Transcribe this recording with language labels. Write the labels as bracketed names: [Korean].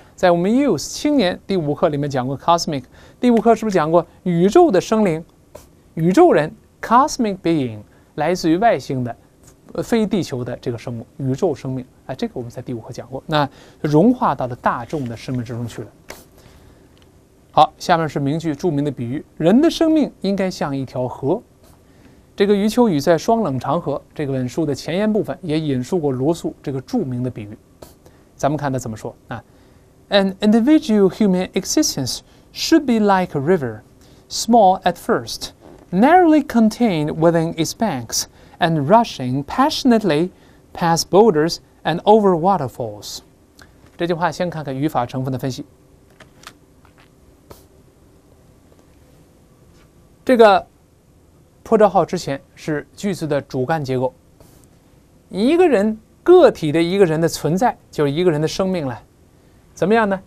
[Chinese] 在我们 youth 青年第五课里面讲过 cosmic， 第五课是不是讲过宇宙的生灵，宇宙人 cosmic being 来自于外星的非地球的这个生物，宇宙生命啊，这个我们在第五课讲过，那融化到了大众的生命之中去了。好，下面是名句著名的比喻，人的生命应该像一条河。这个余秋雨在《双冷长河》这个本书的前言部分也引述过罗素这个著名的比喻，咱们看他怎么说啊。 [English] An individual human existence should be like a river, small at first, narrowly contained within its banks, and rushing passionately past boulders and over waterfalls。 [Chinese] 这句话先看看语法成分的分析，这个破折号之前是句子的主干结构，一个人个体的一个人的存在就是一个人的生命了，怎么样呢？